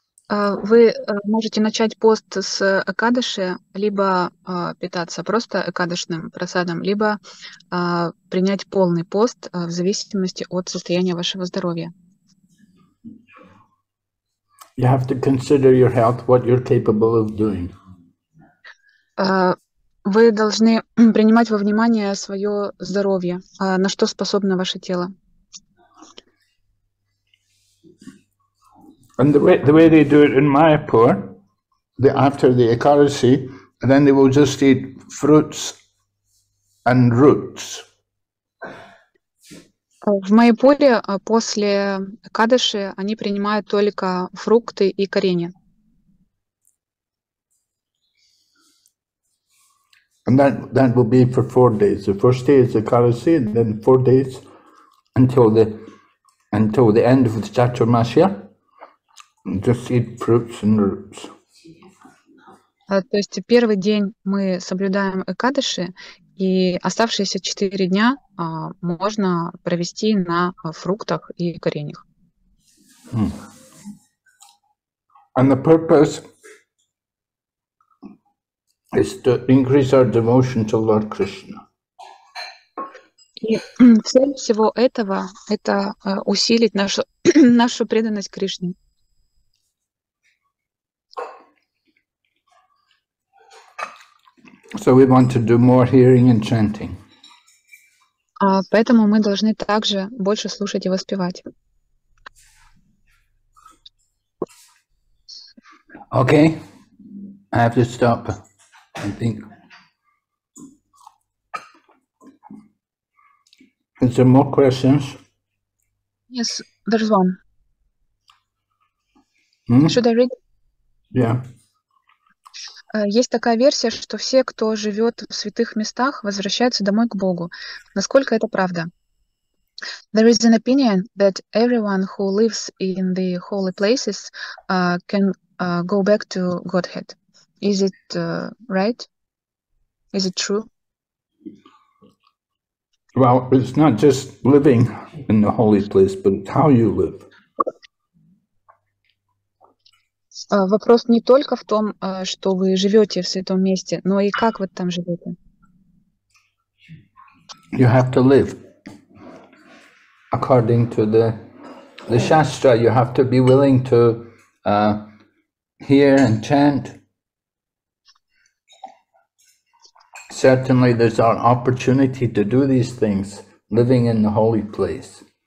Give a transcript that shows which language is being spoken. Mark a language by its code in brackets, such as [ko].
[ru] Вы можете начать пост с экадыши, либо питаться просто экадышным просадом, либо принять полный пост в зависимости от состояния вашего здоровья. [en] You have to consider your health, what you're capable of doing. [ru] Вы должны принимать во внимание свое здоровье, на что способно ваше тело. [en] And the way they do it in Mayapur, after the Ekadasi, then they will just eat fruits and roots. [ru] В Майпуре после Экадаши они принимают только фрукты и коренья. [en] And that will be for 4 days. The first day is Ekadasi, and then 4 days until the end of the Chaturmasya. Just eat fruits and roots. [ru] То есть первый день мы соблюдаем экадыши, и оставшиеся 4 дня можно провести на фруктах и кореньях. [en] And the purpose is to increase our devotion to Lord Krishna. [ru] И цель всего этого — это усилить нашу преданность Кришне. [en] So we want to do more hearing and chanting. [ru] Поэтому мы должны также больше слушать и воспевать. [en] Okay. I have to stop. I think. Is there more questions? Yes, there's one. Should I read? Yeah. [ru] Есть такая версия, что все, кто живет в святых местах, возвращаются домой к Богу. Насколько это правда? [en] There is an opinion that everyone who lives in the holy places can go back to Godhead. Is it right? Is it true? Well, it's not just living in the holy place, but how you live. [ru] Вопрос не только в том, что вы живете в святом месте, но и как вы там живете. [en] You have to live according to the Shastra. You have to be willing to hear and chant. Certainly there's an opportunity to do these things living in the holy place.